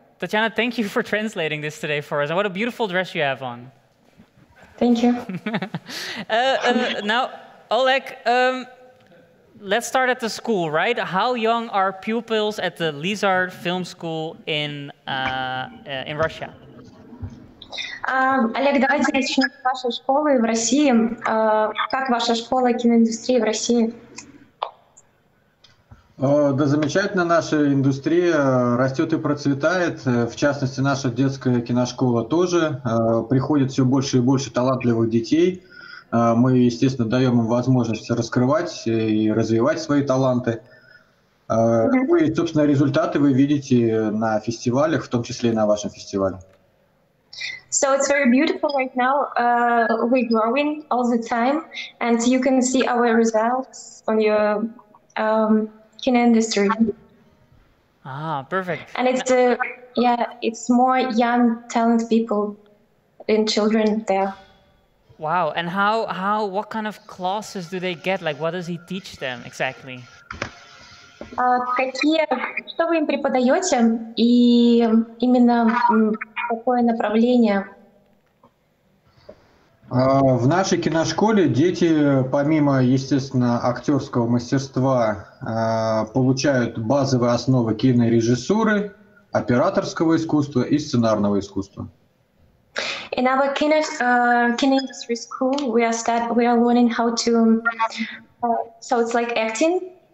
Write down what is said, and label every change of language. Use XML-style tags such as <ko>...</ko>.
<en>Tatiana, thank you for translating this today for us. And what a beautiful dress you have on. Thank you. Now, Oleg, let's start at the school, right? How young are pupils at the LizArt Film School in Russia?</en> <ru>Олег, давайте начнем с вашей школы в России. Как ваша школа киноиндустрии в России? Да замечательно, наша индустрия растет и процветает. В частности, наша детская киношкола тоже. Приходит все больше и больше талантливых детей. Мы, естественно, даем им возможность раскрывать и развивать свои таланты. Ну и, собственно, результаты вы видите на фестивалях, в том числе и на вашем фестивале.</ru> <en>So it's very beautiful right now. We're growing all the time, and you can see our results on your kino industry. Ah, perfect. And it's it's more young, talented people than children there. Wow. And how? What kind of classes do they get? Like, what does he teach them exactly?</en> <ru>Что вы им преподаете и именно какое направление? В нашей киношколе дети, помимо, естественно, актерского мастерства, получают базовые основы кинорежиссуры, операторского искусства и сценарного искусства.</ru> <en>In our kino industry school, we are learning how to, so it's like acting.</en>